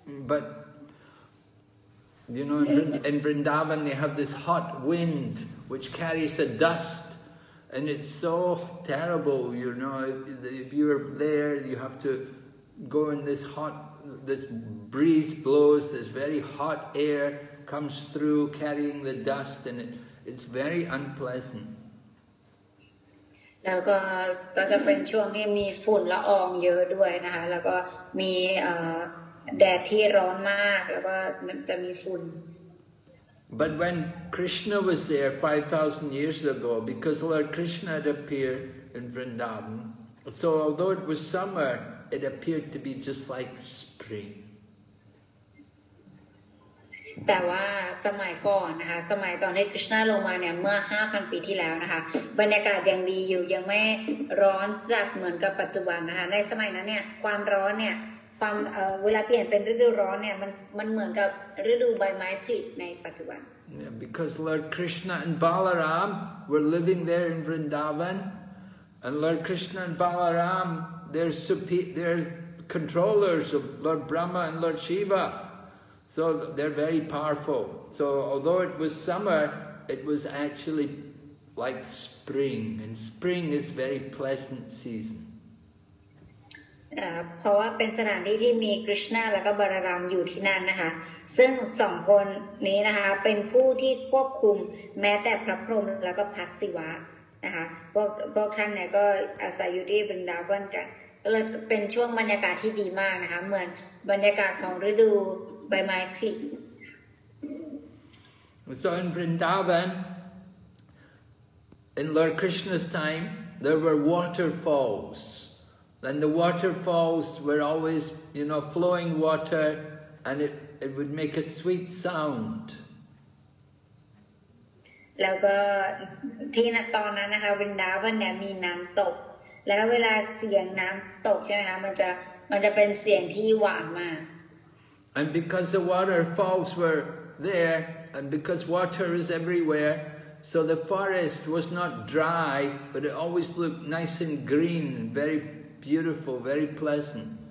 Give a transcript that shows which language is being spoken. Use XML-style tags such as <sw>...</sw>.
<en>butYou know, in Vrindavan, they have this hot wind which carries the dust, and it's so terrible. You know, if you are there, you have to go in this hot. This breeze blows. This very hot air comes through, carrying the dust, and it's very unpleasant.</en> <th>แล้วก็จะเป็นช่วงที่มีฝุ่นละอองเยอะด้วยนะคะแล้วก็มีแดดที่ร้อนมากแล้วก็จะมีฝุ่น</th> <en>But when Krishna was there 5,000 years ago, because Lord Krishna had appeared in Vrindavan, so although it was summer, it appeared to be just like spring.</en> <th>แต่ว่าสมัยก่อนนะคะสมัยตอนที่คริชนาลงมาเนี่ยเมื่อ 5,000 ปีที่แล้วนะคะบรรยากาศยังดีอยู่ยังไม่ร้อนจัดเหมือนกับปัจจุบันนะคะในสมัยนั้นเนี่ยความร้อนเนี่ยความเวลาเปลี่ยนเป็นฤดูร้อนเนี่ยมันเหมือนกับฤดูใบไม้ผลิในปัจจุบัน</th> <en>Yeah, because Lord Krishna and Balaram were living there in Vrindavan and Lord Krishna and Balaram they're controllers of Lord Brahma and Lord Shiva so they're very powerful so although it was summer it was actually like spring and spring is very pleasant season</en> <th>เพราะว่าเป็นสถานที่ที่มีคริชนาแล้วก็บาลารามอยู่ที่นั่นนะคะซึ่งสองคนนี้นะคะเป็นผู้ที่ควบคุมแม้แต่พระพรหมแล้วก็พระศิวะนะคะพวกท่านเนี่ยก็อาศัยอยู่ที่บรินดาวันกันก็เลยเป็นช่วงบรรยากาศที่ดีมากนะคะเหมือนบรรยากาศของฤดูใบไม้ผลิ</th> <en>So in Vrindavan in Lord Krishna's time there were waterfalls Then the waterfalls were always, you know, flowing water, and it would make a sweet sound.</en> <th>แล้วก็ที่ณตอนนั้นนะคะวรินดาวันเนี่ยมีน้ำตกแล้วเวลาเสียงน้ำตกใช่ไหมคะมันจะเป็นเสียงที่หวานมาก</th> <en>And because the waterfalls were there, and because water is everywhere, so the forest was not dry, but it always looked nice and green, very beautiful, very pleasant.</en>